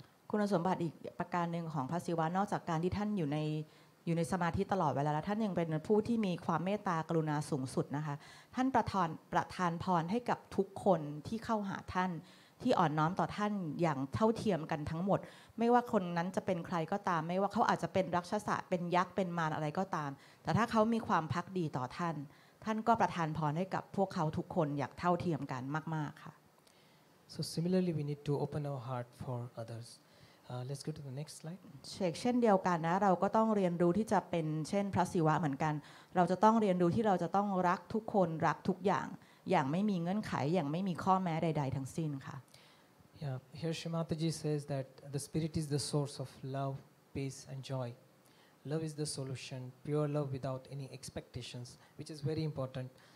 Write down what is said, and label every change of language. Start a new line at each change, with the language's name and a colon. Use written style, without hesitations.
Thai: คุณสมบัติอีกประการนึงของพระศิวะนอกจากการที่ท่านอยู่ในสมาธิตลอดเวลาแล้วท่านยังเป็นผู้ที่มีความเมตตากรุณาสูงสุดนะคะท่านประทานพรให้กับทุกคนที่เข้าหาท่านที่อ่อนน้อมต่อท่านอย่างเท่าเทียมกันทั้งหมดไม่ว่าคนนั้นจะเป็นใครก็ตามไม่ว่าเขาอาจจะเป็นรักชาสะเป็นยักษ์เป็นมารอะไรก็ตามแต่ถ้าเขามีความภักดีต่อท่านท่านก็ประทานพรให้กับพวกเขาทุกคนอย่างเท่าเทียมกันมากๆค่ะ
English: So similarly we need to open our heart for othersLet's go to the next slide.
Thai: เช่นเดียวกันนะเราก็ต้องเรียนรู้ที่จะเป็นเช่นพระศิวะเหมือนกันเราจะต้องเรียนรู้ที่เราจะต้องรักทุกคนรักทุกอย่างอย่างไม่มีเงื่อนไขอย่างไม่มีข้อแม้ใดๆทั้งสิ้นค่ะ
English: Yeah, here Shrimataji says that the spirit is the source of love, peace, and joy. Love is the solution, pure love without any expectations, which is very important.